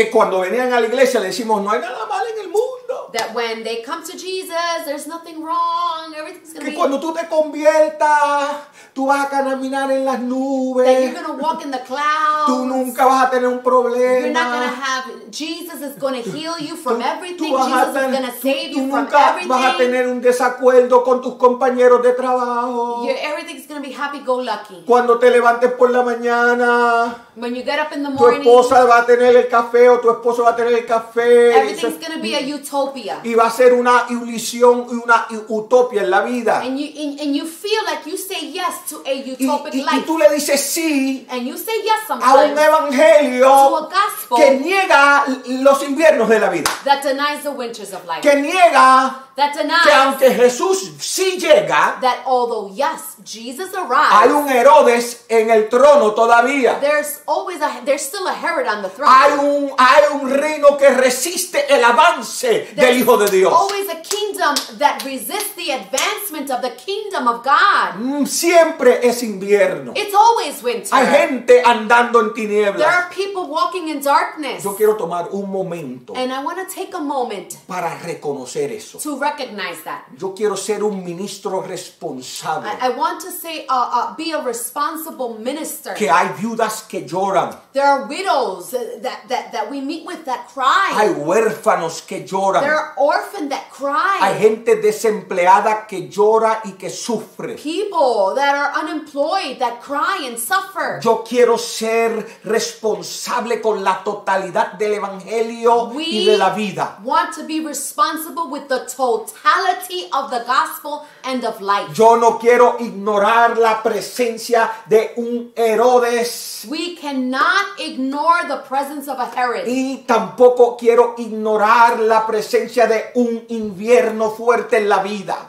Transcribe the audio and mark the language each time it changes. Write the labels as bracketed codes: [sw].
[es] Que cuando venían a la iglesia le decimos, no hay nada mal en el mundo. [en] That when they come to Jesus, there's nothing wrong, everything's going to be... [es] Que cuando tú te conviertas, tú vas a caminar en las nubes. [en] That you're going to walk in the clouds. [es] Tú nunca vas a tener un problema. [en] You're not going to have... Jesus is going to heal you from everything. Jesus is going to save you from everything. [es] Tú nunca vas a tener un desacuerdo con tus compañeros de trabajo. [en] Everything's going to be happy-go-lucky. [es] Cuando te levantes por la mañana... [en] When you get up in the morning, [es] tu esposa va a tener el café o tu esposo va a tener el café. [en] Everything's going to be a utopia. [es] Y va a ser una ilusión y una utopia en la vida. [en] And you feel like you say yes to a utopic life. [es] Y tú le dices sí. [en] And you say yes [es] a un evangelio [en] to a gospel [es] que niega los inviernos de la vida. [en] That denies the winters of life. [es] Que niega [en] that denies [es] que aunque Jesús sí llega, [en] that although yes, Jesus arrives, [es] hay un Herodes en el trono todavía. [en] There's still a Herod on the throne. [es] Hay un reino que resiste el avance del Hijo de Dios. [en] There's always a kingdom that resists the advancement of the kingdom of God. [es] Siempre es invierno. [en] It's always winter. [es] Hay gente andando en tinieblas. [en] There are people walking in darkness. [es] Yo quiero tomar un momento. [en] And I want to take a moment [es] para reconocer eso. [en] To recognize that. [es] Yo quiero ser un ministro responsable. [en] I want to say, be a responsible minister. [es] Que hay viudas que lloran. [en] There are widows that we meet with that cry. [es] Hay huérfanos que lloran. [en] There are orphans that cry. [es] Hay gente desempleada que llora y que sufre. [en] People that are unemployed that cry and suffer. [es] Yo quiero ser responsable con la totalidad del evangelio [en] we [es] y de la vida. [en] We want to be responsible with the totality of the gospel and of life. [es] Yo no quiero ignorar la presencia de un Herodes. [en] We cannot ignore the presence of a Herod. [es] Y tampoco quiero ignorar la presencia de un invierno fuerte en la vida.